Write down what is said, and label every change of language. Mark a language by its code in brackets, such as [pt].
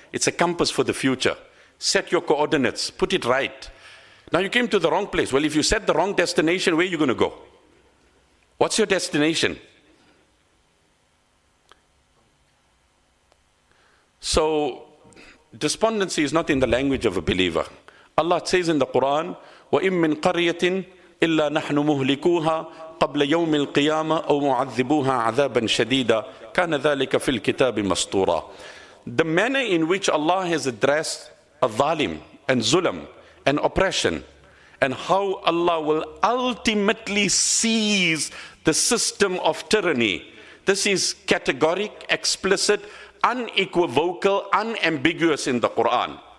[en] It's a compass for the future. Set your coordinates, put it right. Now you came to the wrong place. Well, if you set the wrong destination, where are you going to go? What's your destination? So, despondency is not in the language of a believer. Allah says in the Quran, [ar] وَإِن مِّن قَرْيَةٍ إِلَّا نَحْنُ مُهْلِكُوهَا قَبْلَ يَوْمِ الْقِيَامَةِ أَوْ مُعَذِّبُوهَا عَذَابًا شَدِيدًا كَانَ ذَلِكَ فِي الْكِتَابِ مَسْطُورًا. [en] The manner in which Allah has addressed a zalim and zulm and oppression, and how Allah will ultimately seize the system of tyranny, this is categoric, explicit, unequivocal, unambiguous in the Quran.